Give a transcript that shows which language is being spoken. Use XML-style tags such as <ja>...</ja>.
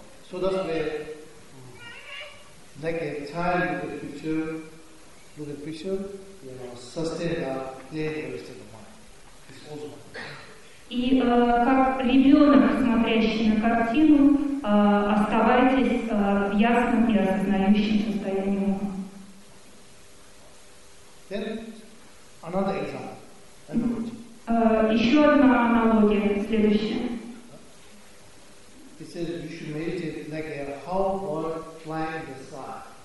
<en>so that way, like a child with a picture, you know, sustain the clear interest of the mind. It's also important.</en> <ru>И как ребенок, смотрящий на картину, оставайтесь в ясном и осознающем состоянии ума.</ru> <en>Then another example.</en> <ru>Еще одна аналогия, следующая.</ru> <en>It says you should meditate like a hawk or flying the sky.</en>